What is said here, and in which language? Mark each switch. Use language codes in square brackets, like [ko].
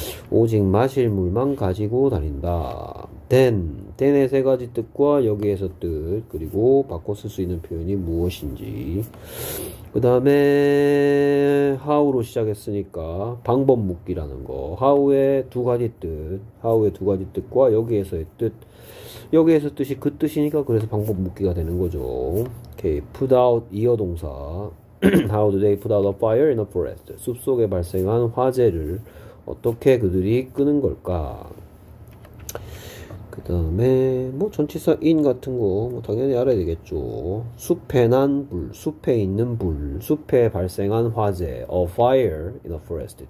[ko] 오직 마실 물만 가지고 다닌다. Then의 세 가지 뜻과 여기에서 뜻, 그리고 바꿔 쓸수 있는 표현이 무엇인지. 그 다음에 how로 시작했으니까 방법 묻기라는 거. how의 두 가지 뜻과 여기에서의 뜻. 여기에서 뜻이 그 뜻이니까 그래서 방법 묻기가 되는 거죠. [en] Okay, put out [ko] 이어 동사. [en] How do they put out a fire in a forest? [ko] 숲속에 발생한 화재를 어떻게 그들이 끄는 걸까? 그 다음에 뭐 전치사 in 같은 거뭐 당연히 알아야 되겠죠. 숲에 난 불, 숲에 있는 불, 숲에 발생한 화재, [en] a fire in a forest.